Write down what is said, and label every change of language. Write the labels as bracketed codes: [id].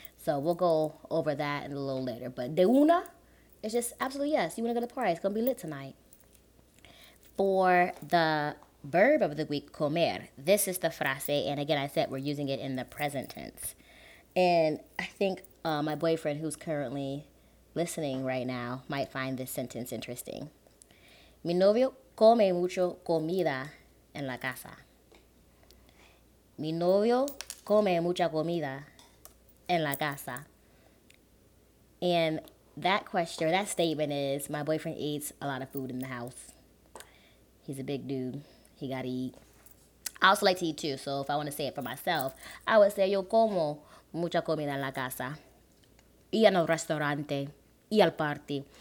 [en] So we'll go over that in a little later. But de una, it's just absolutely yes. You want to go to the party. It's going to be lit tonight. For the verb of the week, comer, this is the frase. And again, I said we're using it in the present tense. And I think my boyfriend, who's currently listening right now, might find this sentence interesting. [es] Mi novio come mucho comida en la casa. Mi novio come mucha comida en la casa. [en] And that question, or that statement is, my boyfriend eats a lot of food in the house. He's a big dude. He gotta eat. I also like to eat too, so if I want to say it for myself, I would say, [es] yo como mucha comida en la casa. Y en el restaurante. Y al party.